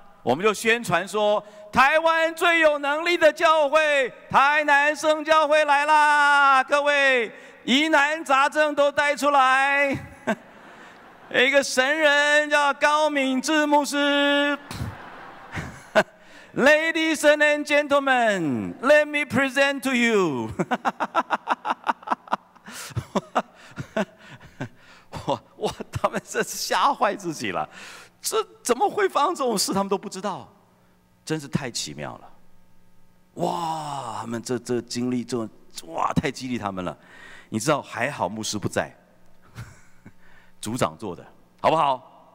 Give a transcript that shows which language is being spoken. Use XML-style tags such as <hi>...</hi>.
<zh>我们就宣传说，台湾最有能力的教会，台南圣教会来啦！各位，疑难杂症都带出来。一个神人叫高敏智牧师。</zh> <en>Ladies and gentlemen, let me present to you.</en> <zh>哇，他们这是吓坏自己了。这怎么会发生这种事？他们都不知道，真是太奇妙了！哇，他们这经历这种，哇，太激励他们了。你知道，还好牧师不在，组长做的，好不好？</zh>